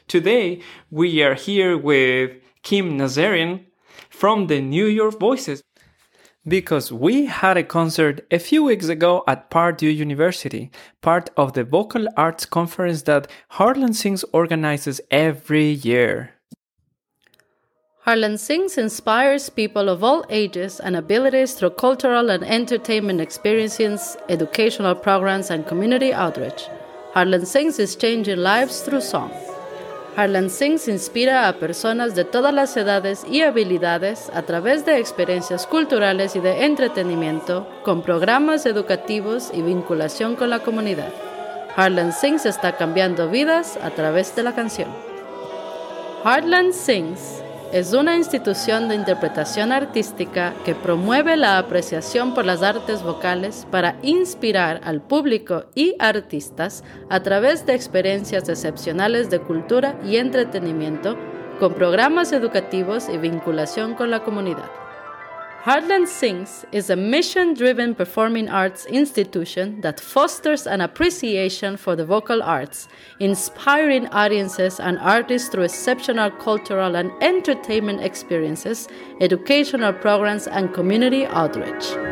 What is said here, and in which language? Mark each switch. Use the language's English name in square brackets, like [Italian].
[English] Today, we are here with Kim Nazarian from the New York Voices, because we had a concert a few weeks ago at Purdue University, part of the Vocal Arts Conference that Heartland Sings organizes every year. Heartland Sings inspires people of all ages and abilities through cultural and entertainment experiences, educational programs, and community outreach. Heartland Sings is changing lives through song. [Spanish] Heartland Sings inspira a personas de todas las edades y habilidades a través de experiencias culturales y de entretenimiento, con programas educativos y vinculación con la comunidad. Heartland Sings está cambiando vidas a través de la canción. Heartland Sings es una institución de interpretación artística que promueve la apreciación por las artes vocales para inspirar al público y artistas a través de experiencias excepcionales de cultura y entretenimiento con programas educativos y vinculación con la comunidad. [English] Heartland Sings is a mission-driven performing arts institution that fosters an appreciation for the vocal arts, inspiring audiences and artists through exceptional cultural and entertainment experiences, educational programs, and community outreach.